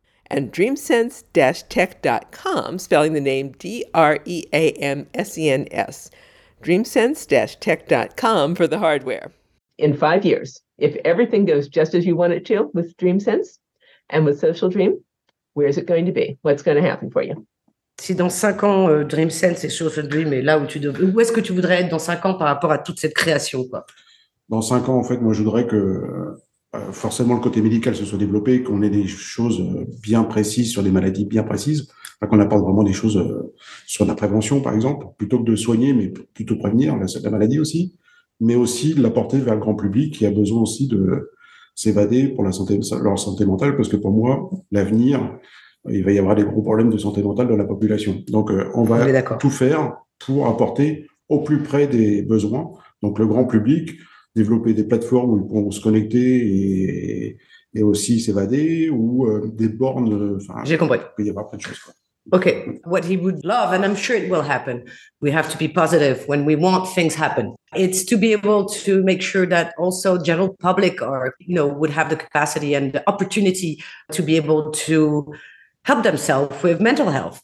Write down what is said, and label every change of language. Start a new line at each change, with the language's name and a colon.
English: And dreamsense-tech.com, spelling the name DREAMSENS. DreamSense-tech.com for the hardware. In 5 years, if everything goes just as you want it to with DreamSense and with Social Dream, where is it going to be? What's going to happen for you?
French: Si dans 5 ans, DreamSense et Social Dream est là où tu devrais, où est-ce que tu voudrais être dans 5 ans par rapport à toute cette création, quoi? Dans 5 ans, en fait, moi, je voudrais que forcément le côté médical se soit développé, qu'on ait des choses bien précises sur des maladies bien précises, qu'on apporte vraiment des choses sur la prévention, par exemple, plutôt que de soigner, mais plutôt prévenir la maladie aussi, mais aussi de l'apporter vers le grand public qui a besoin aussi de s'évader pour la santé, leur santé mentale, parce que pour moi, l'avenir, il va y avoir des gros problèmes de santé mentale dans la population. Donc, on va tout faire pour apporter au plus près des besoins. Donc, le grand public, développer des plateformes où ils pourront se connecter et aussi s'évader, ou des bornes. J'ai compris. Il y a pas plein de choses, quoi.
English: Okay, what he would love, and I'm sure it will happen, we have to be positive when we want things happen. It's to be able to make sure that also general public are, you know, would have the capacity and the opportunity to be able to help themselves with mental health.